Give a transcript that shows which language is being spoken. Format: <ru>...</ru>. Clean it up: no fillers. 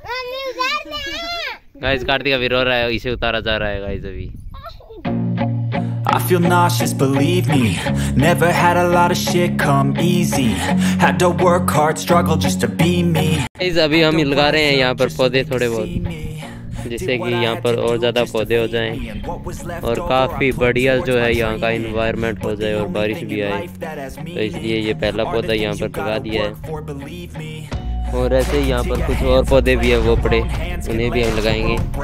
<hi>Guys Kartik अभी रो रहा है, इसे उतारा जा रहा है गाइस अभी।</hi> <en>I feel nauseous, believe me. Never had a lot of shit come easy. Had to work hard, struggle just to be me.</en> <hi>Guys अभी हम लगा रहे हैं यहाँ पर पौधे थोड़े बहुत, जिससे कि यहाँ पर और ज्यादा पौधे हो जाएं और काफी बढ़िया जो है यहाँ का एनवायरनमेंट हो जाए और बारिश भी आए, तो इसलिए ये पहला पौधा यहाँ पर लगा दिया है। और ऐसे ही यहाँ पर कुछ और पौधे भी है, वो पड़े उन्हें भी हम लगाएंगे।</hi>